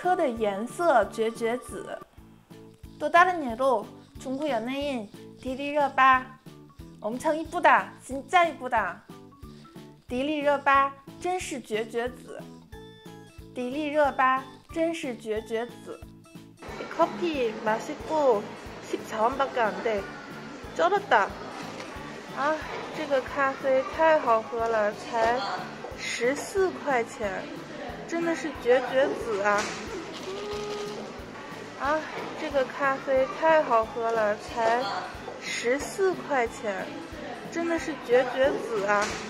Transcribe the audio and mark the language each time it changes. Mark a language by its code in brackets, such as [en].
[zh] 这个车的颜色绝绝紫。这个车的颜色绝绝紫。 [ko] 또 다른 예로 중국 연예인 迪丽热巴 엄청 이쁘다. 진짜 이쁘다. [zh] 迪丽热巴真是绝绝紫。迪丽热巴真是绝绝紫。 [ko] 커피 맛있고 14원밖에 안 돼. 쩔었다. [zh] 아, 这个咖啡太好喝了，才14块钱，真的是绝绝子啊！ 아, 这个咖啡太好喝了，才14块钱，真的是绝绝子啊！